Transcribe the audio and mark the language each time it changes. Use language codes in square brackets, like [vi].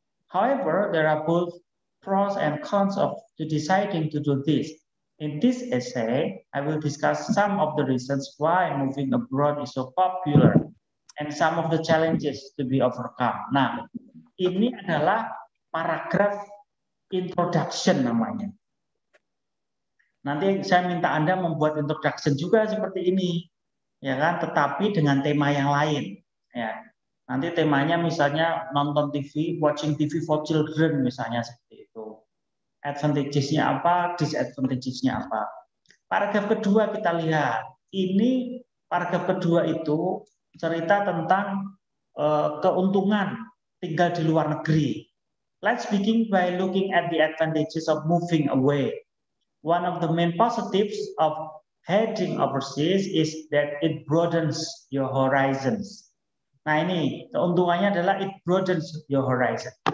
[en] However, there are both pros and cons of to deciding to do this. In this essay, I will discuss some of the reasons why moving abroad is so popular and some of the challenges to be overcome. [id] Nah, ini adalah paragraf introduction namanya. Nanti saya minta Anda membuat introduction juga seperti ini, ya kan? Tetapi dengan tema yang lain, ya. Nanti temanya misalnya nonton TV, [en] watching TV for children [id] misalnya seperti itu. Advantages-nya apa, disadvantages-nya apa? Paragraf kedua kita lihat. Ini paragraf kedua itu cerita tentang keuntungan tinggal di luar negeri. [en] Let's begin by looking at the advantages of moving away. One of the main positives of heading overseas is that it broadens your horizons. [id] Nah ini, keuntungannya adalah [en] it broadens your horizon.